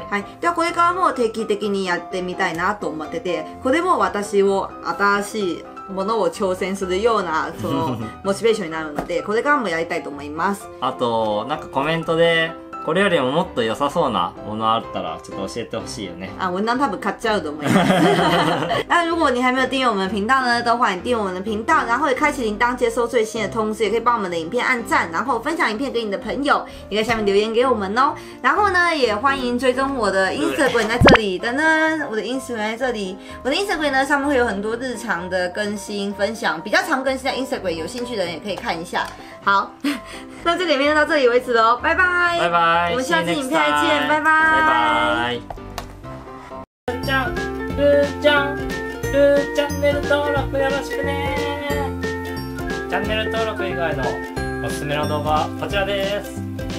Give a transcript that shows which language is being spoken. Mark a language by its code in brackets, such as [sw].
[ja] はい、ではこれからも定期的にやってみたいなと思ってて、これも私を新しいものを挑戦するようなそのモチベーションになるのでこれからもやりたいと思います。あとなんかコメントでこれよりももっと良さそうなものあったらちょっと教えてほしいよね。あ、文壇多分買っちゃうと思います。 [zh] 那如果你还没有订阅我们的频道呢，都欢迎订阅我们的频道，然后也开启铃铛接收最新的通知，也可以帮我们的影片按赞，然后分享影片给你的朋友，也在下面留言给我们哦。然后呢，也欢迎追踪我的 Instagram 在这里，等等，我的 Instagram 在这里，我的 Instagram 呢上面会有很多日常的更新分享，比较常更新在 Instagram， 有兴趣的人也可以看一下。好，那这里面就到这里为止喽，拜拜，拜拜。我们下次影片再见，拜拜。 [ja] チャンネル登録よろしくね。チャンネル登録以外のおすすめの動画はこちらです。